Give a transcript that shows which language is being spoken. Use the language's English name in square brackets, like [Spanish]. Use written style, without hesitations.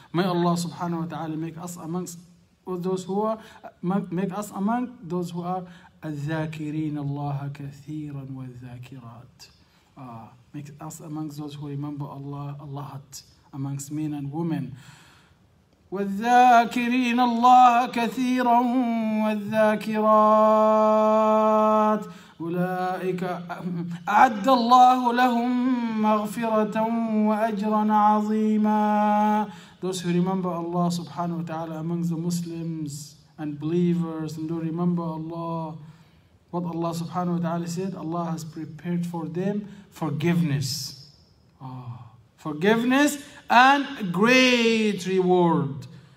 [English] May Allah subhanahu wa ta'ala make us among those who are al-zakirin Allah kathiran wa al-zakirat. Make us amongst those who remember Allah a lot, amongst men and women. [Arabic] والذاكرين الله كثيرا والذاكرات أولئك أعد الله لهم مغفرة وأجرا عظيما. [English] Those who remember Allah subhanahu wa ta'ala amongst the Muslims and believers and those who remember Allah, what Allah subhanahu wa ta'ala said, Allah has prepared for them forgiveness. Forgiveness and great reward.